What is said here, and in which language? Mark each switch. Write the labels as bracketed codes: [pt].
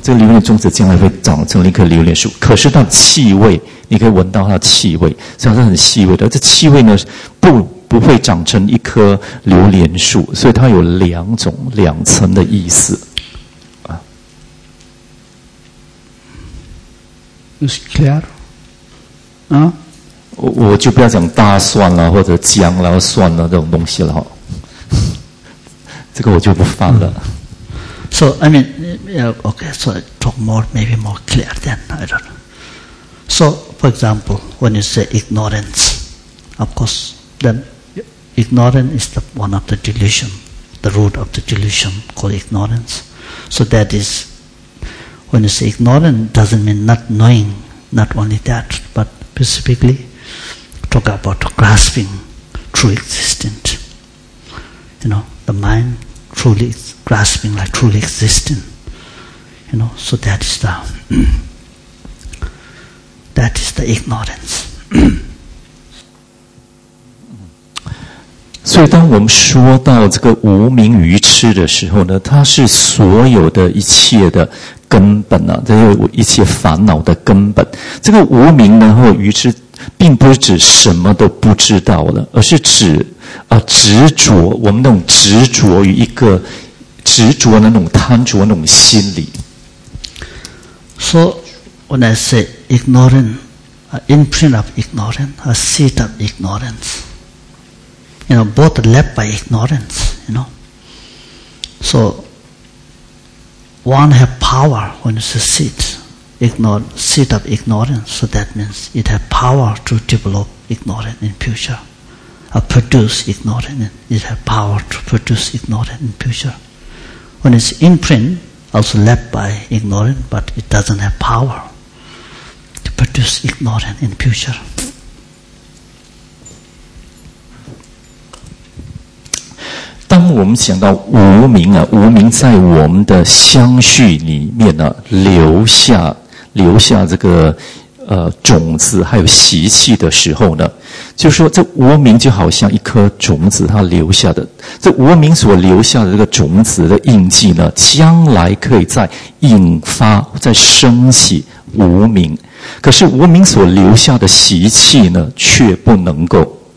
[zh] 这个榴莲种子将来会长成一棵榴莲树，可是它的气味，你可以闻到它的气味，虽然是很细微的，这气味呢，不会长成一棵榴莲树，所以它有两种两层的意思。啊 [en] ，Is clear？ 啊， [zh] 我就不要讲大蒜了或者姜了、蒜了这种东西了哈。这个我就不放了。 [en] So talk more, maybe more clear then, I don't know. So, for example, when you say ignorance, of course, then ignorance is the one of the delusion, the root of the delusion called ignorance. So that is, when you say ignorance, doesn't mean not knowing, not only that, but specifically talk about grasping true existence. You know, the mind, truly grasping, like truly existing, you know. So that is the that is the ignorance. [zh] 所以，当我们说到这个无明愚痴的时候呢，它是所有的一切的根本啊，这些一切烦恼的根本。这个无明呢，或愚痴，并不是指什么都不知道了，而是指执着，我们那种执着于一个执着的那种贪着那种心理。 [en] So when I say ignorant, imprint of ignorance, a seed of ignorance, you know, both led by ignorance, you know. So one have power when it's a seed, seed of ignorance. So that means it have power to develop ignorance in future. Produce ignorance. It has power to produce ignorance in future. When it's imprint, also left by ignorance, but it doesn't have power to produce ignorance in future. [zh] 当我们想到无明啊，无明在我们的相续里面啊，留下这个种子还有习气的时候呢，就是说这无明就好像一颗种子，它留下的这无明所留下的这个种子的印记呢，将来可以再引发再升起无明，可是无明所留下的习气呢却不能够。